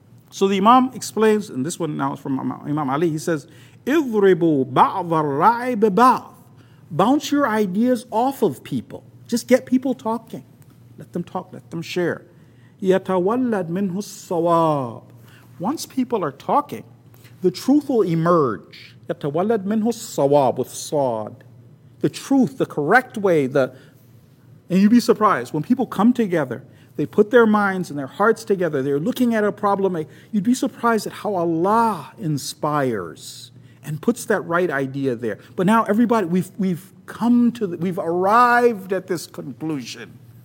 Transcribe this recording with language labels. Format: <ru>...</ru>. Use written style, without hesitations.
<en>So the imam explains, and this one now is from Imam Ali, he says,</en> <ar>اضربوا بعض الرأي ببعض.</ar> <en>Bounce your ideas off of people. Just get people talking. Let them talk, let them share.</en> <ar>يتولد منه الصواب.</ar> <en>Once people are talking, the truth will emerge.</en> <ar>يتولد منه الصواب,</ar> <en>with</en> <ar>صاد.</ar> <en>The truth, the correct way, and you'd be surprised, when people come together, they put their minds and their hearts together, they're looking at a problem, you'd be surprised at how Allah inspires and puts that right idea there. But now everybody, we've arrived at this conclusion.</en>